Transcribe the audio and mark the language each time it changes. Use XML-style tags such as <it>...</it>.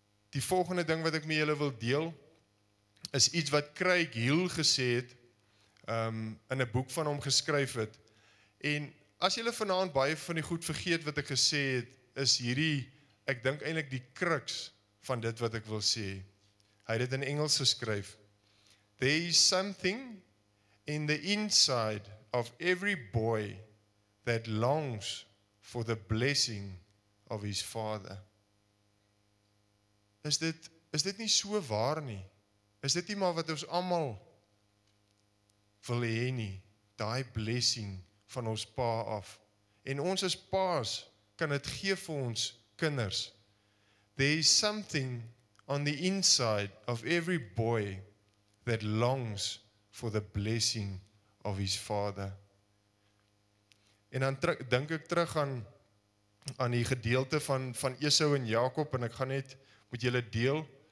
<af>Die volgende ding wat ek met julle wil deel is iets wat Craig Hill gesê het, in 'n boek van hom geskryf het, en as julle vanaand baie van die goed vergeet wat ek gesê het, is hierdie, ek dink eintlik die kruks van dit wat ek wil sê. Hy het dit in Engels geskryf.</af> <en>There is something in the inside of every boy that longs for the blessing of his father.</en> <af>Is dit nie so waar nie? Is dit nie maar wat ons allemaal wil hê nie, daai blessing van ons pa af. En ons as pa's kan dit gee vir ons kinders.</af> <en>There is something on the inside of every boy that longs for the blessing of his father.</en> <af>En dan dink ek terug aan die gedeelte van Esau en Jakob en ek gaan net met julle deel.</af>